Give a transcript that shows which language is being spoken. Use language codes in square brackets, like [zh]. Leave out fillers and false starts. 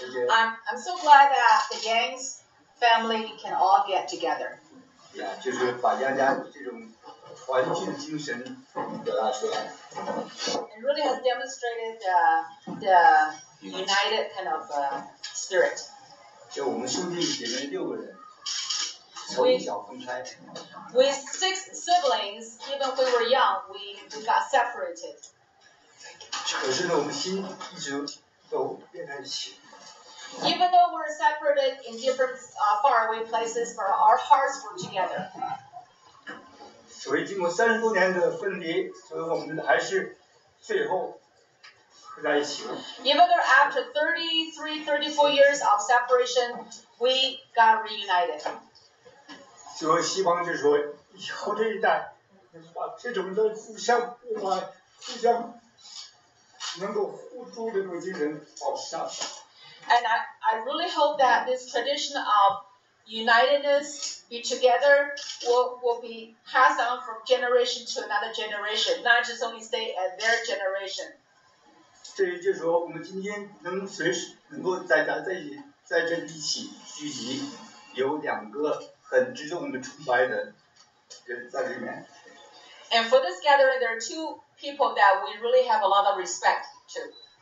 [en] I'm so glad that the gang's family can all get together. [zh] Yeah, 就是把家家这种团聚精神表达出来。 [en] It really has demonstrated the united kind of spirit. [zh] 就我们兄弟姐妹六个人，从一小分开。 [en] With six siblings, even when we were young, we got separated. [zh] 可是呢，我们心一直都连在一起。 [en] Even though we're separated in different faraway places, but our hearts were together. [zh] 所以经过三十多年的分离，所以我们还是。 [en] Even though after 33, 34 years of separation, we got reunited. [zh] So, 西方就说以后这一代，把这种的互相关怀、互相能够互助的这种精神保持下去。 [en] And I really hope that this tradition of unitedness, be together, will be passed on from generation to another generation, not just only stay at their generation. [zh] 这也就是说，我们今天能随时能够在家在这一起聚集，有两个很值得我们崇拜的人在里面。 [en] And for this gathering, there are two people that we really have a lot of respect to.